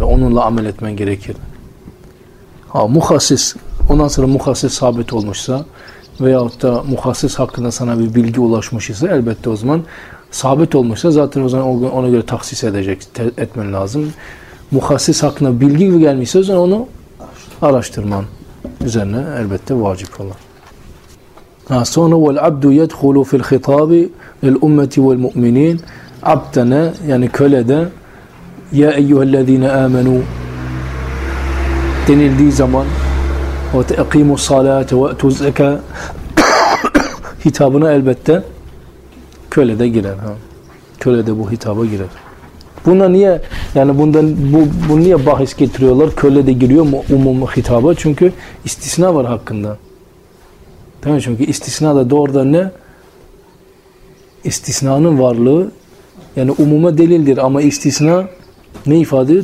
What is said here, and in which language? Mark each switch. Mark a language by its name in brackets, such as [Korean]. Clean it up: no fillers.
[Turkish] Onunla amel etmen gerekir. Muhassis ondan sonra muhassis sabit olmuşsa veyahut da muhassis hakkında sana bir bilgi ulaşmış ise elbette o zaman sabit olmuşsa zaten o zaman ona göre taksis etmen lazım. Muhassis hakkında bilgi gelmişse o zaman onu araştırman üzerine elbette vacip olan. Sonra [Arabic] وَالْعَبْدُ يَدْخُلُ فِي الْخِطَابِ لِلْأُمَّةِ وَالْمُؤْمِنِينَ [Turkish] Abdene yani kölede [Arabic] يَا اَيُّهَا الَّذ۪ينَ آمَنُوا [Turkish] denildiği zaman [Arabic] وَتَقِيمُ الصَّلَاةَ وَأْتُ الزَّكَى [Turkish] hitabına elbette kölede girer. Kölede bu hitaba girer. Buna niye yani bunu niye bahis getiriyorlar? Kölede giriyor mu umum hitaba? Çünkü istisna var hakkında. Tamam çünkü istisna da doğrudan ne? İstisnanın varlığı yani umuma delildir ama istisna ne ifade ediyor?